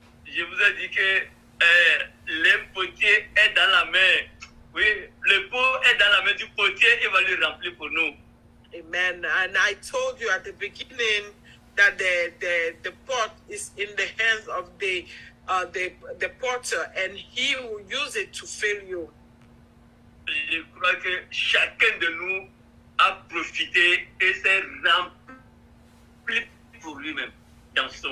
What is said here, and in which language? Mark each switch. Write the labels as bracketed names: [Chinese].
[French] Je vous ai dit que le potier est dans la main. Oui, le pot est dans la main du potier. Il va le remplir pour nous. Amen. [English] And I told you at the beginning that the pot is in the hands of the potter, and he will use it to fail you. [French] Je crois que chacun de nous a profité et s'est rempli pour lui-même dans son.